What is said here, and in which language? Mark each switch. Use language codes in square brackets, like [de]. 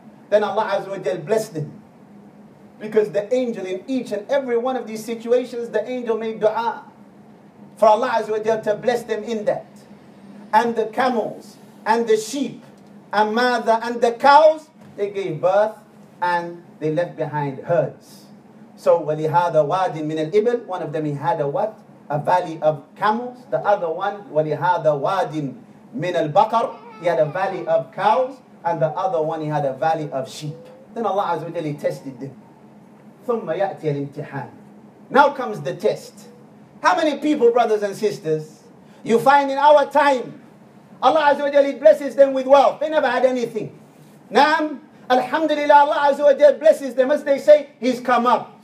[en] Then Allah Azza wa Jal blessed him. Because the angel in each and every one of these situations, the angel made dua for Allah Azza wa Jal to bless them in that. And the camels, and the sheep, and mother, and the cows, they gave birth and they left behind herds. So, [ar] وَلِهَذَا وَادٍ مِنَ الْإِبْلِ. [en] One of them, he had a what? A valley of camels. The other one, [ar] وَلِهَذَا وَادٍ مِنَ الْبَقَرِ. [en] He had a valley of cows. And the other one, he had a valley of sheep. Then Allah Azza wa Jalla tested them. [ar] ثُمَّ يَأْتِيَ الْإِمْتِحَانِ. [en] Now comes the test. How many people, brothers and sisters, you find in our time, Allah Azza wa Jalla blesses them with wealth. They never had anything. Naam, alhamdulillah, Allah Azza wa Jalla blesses them. As they say, he's come up.